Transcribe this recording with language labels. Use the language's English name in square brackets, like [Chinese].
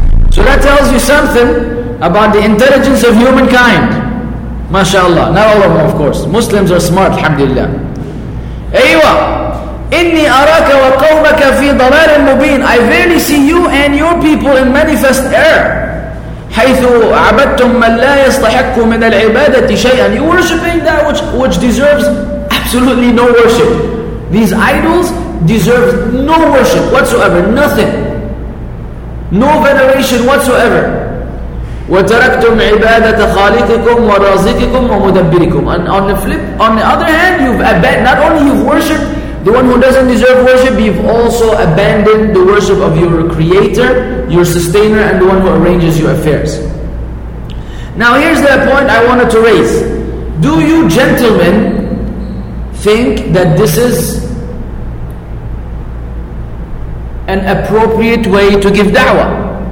[English] So that tells you something about the intelligence of humankind. MashaAllah. Not all of them, of course. Muslims are smart, [Arabic] alhamdulillah. Aywa. Inni araka wa qawmaka fi dalal mubeen. [English] I verily see you and your people in manifest error. [Arabic] حيث عبدتم من لا يستحق من العبادة شيئا. [English] You worshiping that which deserves absolutely no worship. These idols deserve no worship whatsoever, nothing, no veneration whatsoever. [Arabic] وتركتم عبادة خالقكم ورازقكم ومدبركم. [English] And on the flip, on the other hand, not only you've worshipped the one who doesn't deserve worship, you've also abandoned the worship of your creator, your sustainer, and the one who arranges your affairs. Now here's the point I wanted to raise. Do you gentlemen think that this is an appropriate way to give da'wah?